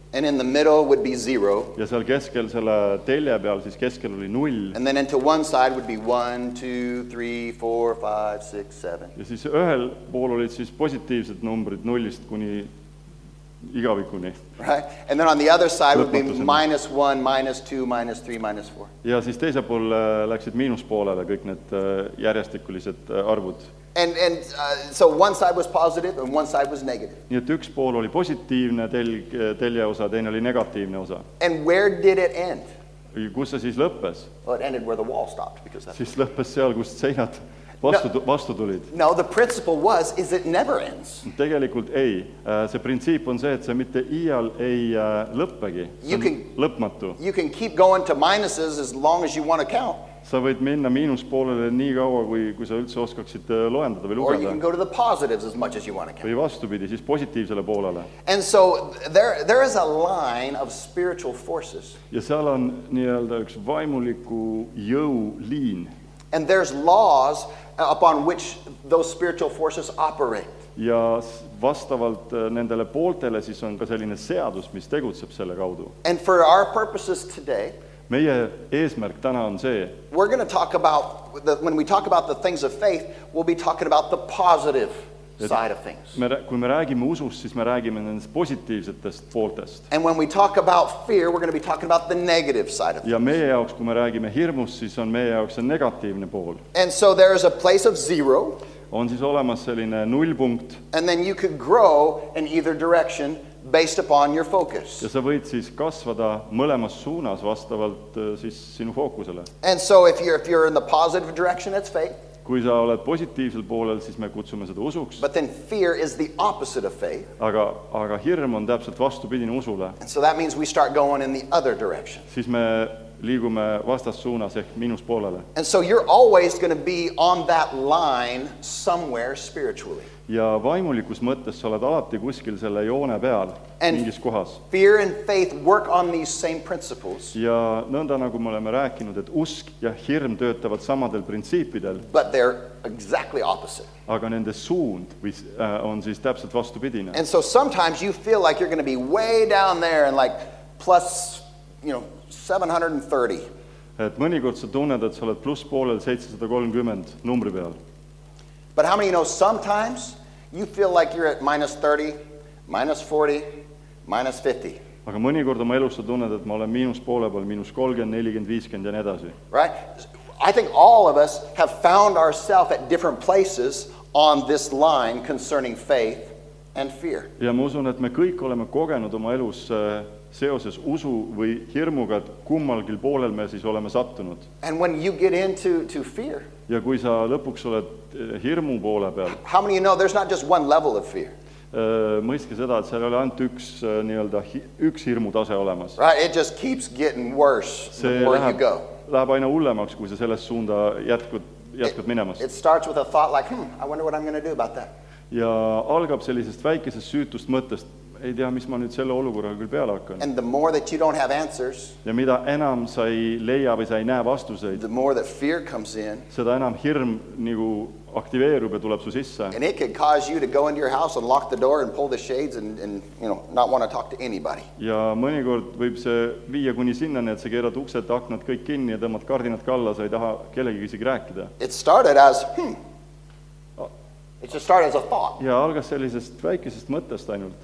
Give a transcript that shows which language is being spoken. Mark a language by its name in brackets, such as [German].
[English] And in the middle would be zero. [Estonian] Ja seal keskel selle telje peal, siis keskel oli null. [English] And then into one side would be 1, 2, 3, 4, 5, 6, 7. [Estonian] Ja siis ühel pool olid siis positiivsed numbrid nullist kuni igavikuni. [English] Right? And then on the other side would be -1, -2, -3, -4. [Estonian] Ja siis teise pool läksid miinuspoolele kõik need järjestikulised arvud. [English] And so one side was positive and one side was negative. [Estonian] Nii et üks pool oli positiivne telje osa, teine oli negatiivne osa. [English] And where did it end? [Estonian] Kus see siis lõppes? [English] Well, it ended where the wall stopped because that's [Estonian] siis lõppes seal, kus seinad [English] No, the principle was, is it never ends. [Estonian] Tegelikult ei. See printsiip on see, et see mitte iial ei lõppegi. Lõpmatu. [English] You can keep going to minuses as long as you want to count. [Estonian] Sa võid minna miinuspoolele nii kaua, kui sa üldse oskaksid loendada või lugeda. [English] Or you can go to the positives as much as you want to count. [Estonian] Või vastupidi, siis positiivsele poolele. [English] And so there is a line of spiritual forces. [Estonian] Ja seal on nii-öelda üks vaimuliku jõu liin. [English] And there's laws upon which those spiritual forces operate. [Estonian] Ja vastavalt nendele pooltele siis on ka selline seadus, mis tegutseb selle kaudu. [English] And for our purposes today, [Estonian] meie eesmärk täna on see, [English] we're going to talk about, when we talk about the things of faith, we'll be talking about the positive side of things. [Estonian] Kui me räägime usus, siis me räägime nendest positiivsetest pooltest. [English] And when we talk about fear, we're going to be talking about the negative side of things. [Estonian] Ja meie jaoks, kui me räägime hirmust, siis on meie jaoks see negatiivne pool. [English] And so there is a place of zero. [Estonian] On siis olemas selline nullpunkt. [English] And then you could grow in either direction based upon your focus. [Estonian] Ja sa võid siis kasvada mõlemas suunas vastavalt siis sinu fookusele. [English] And so if you're in the positive direction, it's faith. [Estonian] Kui sa oled positiivsel poolel, siis me kutsume seda usuks. [English] But then fear is the opposite of faith. [Estonian] Aga hirm on täpselt vastupidine usule. [English] And so that means we start going in the other direction. [Estonian] Siis me liigume vastas suunas ehk miinus poolele. [English] And so you're always going to be on that line somewhere spiritually. [Estonian] Ja vaimulikus mõttes sa oled alati kuskil selle joone peal, [English] and [Estonian] mingis kohas. [English] Fear and faith work on these same principles. [Estonian] Ja nõnda nagu me oleme rääkinud, et usk ja hirm töötavad samadel printsiipidel. [English] But they're exactly opposite. [Estonian] Aga nende suund on siis täpselt vastupidine. [English] And so sometimes you feel like you're going to be way down there and like +730. [Estonian] Et mõnikord sa tunned, et sa oled plus poolel 730 numbri peal. [English] But how many know sometimes you feel like you're at -30, -40, -50. [Estonian] Aga mõnikord oma elus sa tunned, et ma olen miinus poole peal, -30, 40, 50 ja nii edasi. [English] Right? I think all of us have found ourselves at different places on this line concerning faith and fear. [Estonian] Ja ma usun, et me kõik oleme kogenud oma elus seoses usu või hirmuga, et kummalgil poolel me siis oleme sattunud. [English] And when you get into fear, [Estonian] ja kui sa lõpuks oled hirmu poole peal. [English] How many you know there's not just one level of fear? [Estonian] Mõiske seda, et seal oli ainult üks nii-öelda üks hirmu tase olemas. [English] Right, it just keeps getting worse [Estonian] see [English] the more you go. [Estonian] Läheb aina hullemaks, kui sa selles suunda jätkud minemas. [English] It starts with a thought like, I wonder what I'm going to do about that. [Estonian] Ja algab sellisest väikesest süütust mõttest, ei tea, mis ma nüüd selle olukorraga küll peale hakkan. [English] And the more that you don't have answers, [Estonian] ja mida enam sa ei leia või sa ei näe vastuseid, [English] the more that fear comes in, [Estonian] seda enam hirm nagu aktiveerub ja tuleb su sisse. [English] And it can cause you to go into your house and lock the door and pull the shades and not want to talk to anybody. [Estonian] Ja mõnikord võib see viia kuni sinna, et sa keerad uksed, aknad kõik kinni ja tõmmad kardinad kalla, sa ei taha kellegi isegi rääkida. [English] It started as, It just started as a thought. [Estonian] Ja algas sellisest väikesest mõttest ainult.